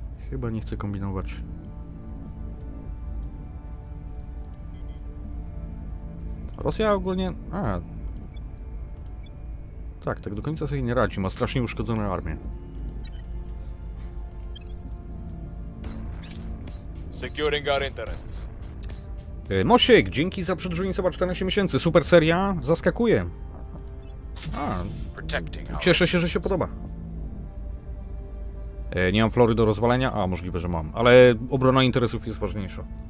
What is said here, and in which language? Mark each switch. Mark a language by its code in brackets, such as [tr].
[pl] Chyba nie chcę kombinować. Rosja ogólnie... A. Tak, tak do końca sobie nie radzi. Ma strasznie uszkodzone armię. [en] Securing our interests. [pl] Mosiek, dzięki za przedrzuceniem 14 miesięcy. Super seria. Zaskakuje. A, cieszę się, że się podoba. Nie mam flory do rozwalenia, a możliwe, że mam. Ale obrona interesów jest ważniejsza.